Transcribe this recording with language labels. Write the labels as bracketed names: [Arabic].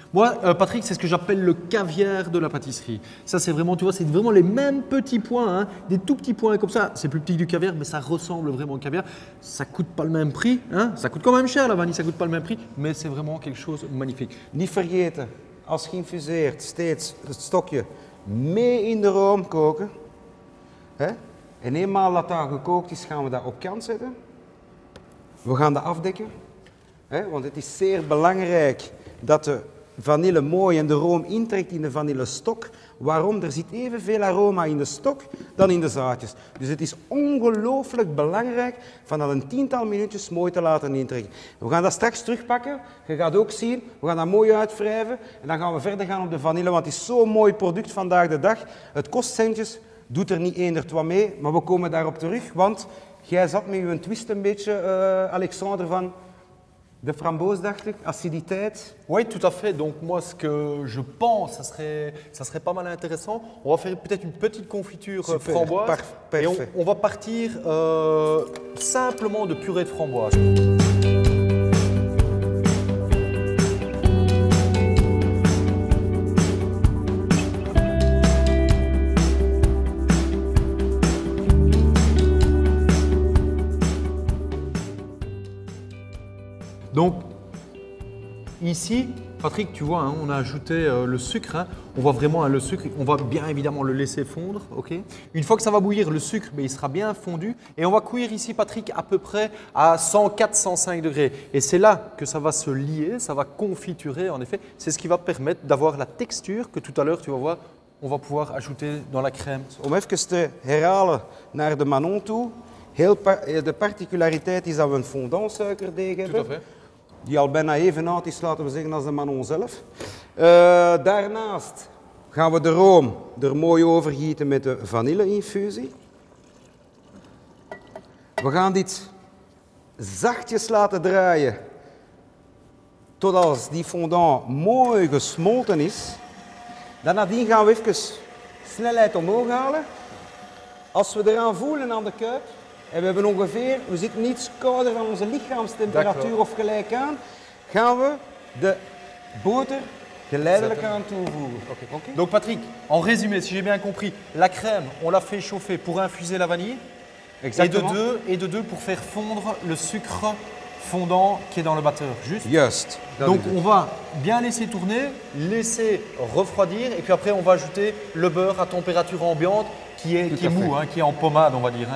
[French] Moi, Patrick, c'est ce que j'appelle le caviar de la pâtisserie. Ça, c'est vraiment, tu vois, c'est vraiment les mêmes petits points, hein, des tout petits points comme ça. C'est plus petit que du caviar, mais ça ressemble vraiment au caviar. Ça coûte pas le même prix, hein. Ça coûte quand même cher, la vanille, ça coûte pas le même prix, mais c'est vraiment quelque chose de magnifique. [Dutch] Niet vergeten, als geïnfuseerd, steeds het stokje mee in de room koken. Hè? En eenmaal dat dat gekookt is, gaan we dat op kant zetten. We gaan dat afdekken. He, want het is zeer belangrijk dat de vanille mooi en de room intrekt in de vanillestok. Waarom? Er zit evenveel aroma in de stok dan in de zaadjes. Dus het is ongelooflijk belangrijk van dat een tiental minuutjes mooi te laten intrekken. We gaan dat straks terugpakken. Je gaat ook zien. We gaan dat mooi uitwrijven. En dan gaan we verder gaan op de vanille, want het is zo'n mooi product vandaag de dag. Het kost centjes, doet er niet eender twa mee. Maar we komen daarop terug, want jij zat met je twist een beetje, Alexandre, van... De framboise, dacht-ik, aciditeit. [French] Oui, tout à fait. Donc moi, ce que je pense, ça serait pas mal intéressant. On va faire peut-être une petite confiture super, framboise. Parfait. Et on va partir simplement de purée de framboise. Donc, ici, Patrick, tu vois, hein, on a ajouté le sucre. Hein. On voit vraiment le sucre. On va bien évidemment le laisser fondre. Okay. Une fois que ça va bouillir, le sucre, ben, il sera bien fondu. Et on va cuire ici, Patrick, à peu près à 104-105 degrés. Et c'est là que ça va se lier, ça va confiturer. En effet, c'est ce qui va permettre d'avoir la texture que tout à l'heure, tu vas voir, on va pouvoir ajouter dans la crème. [Dutch] Om even te herhalen naar de Manon toe. De particulariteit is dat we een fondant suikerdeeg hebben. Die al bijna even oud is, laten we zeggen, als de Manon zelf. Daarnaast gaan we de room er mooi over gieten met de vanille-infusie. We gaan dit zachtjes laten draaien tot als die fondant mooi gesmolten is. Nadien gaan we even snelheid omhoog halen. Als we eraan voelen aan de kuip, en we hebben ongeveer, we zitten niets kouder dan onze lichaamstemperatuur of gelijk aan, gaan we de boter geleidelijk aan toevoegen. Okay. Okay. [French] Donc Patrick, en résumé, si j'ai bien compris, la crème, on l'a fait chauffer pour infuser la vanille. Exactement. Et de deux pour faire fondre le sucre fondant qui est dans le batteur, juste. Just. Donc on va bien laisser tourner, laisser refroidir, et puis après on va ajouter le beurre à température ambiante qui est mou, hein, qui est en pommade, on va dire.